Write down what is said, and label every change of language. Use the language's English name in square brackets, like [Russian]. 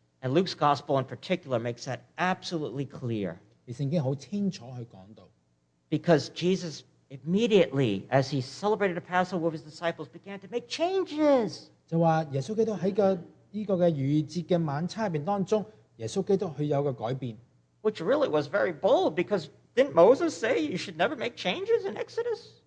[English] And Luke's gospel in particular makes that absolutely clear. [Cantonese] 而聖經好清楚去講到。 [English] Because Jesus immediately as he celebrated the Passover with his disciples, began to make changes. [Cantonese] 就話耶穌基督喺個呢個嘅逾越節嘅晚餐入邊當中，耶穌基督佢有個改變。 [English] Which really was very bold, because didn't Moses say you should never make changes in Exodus?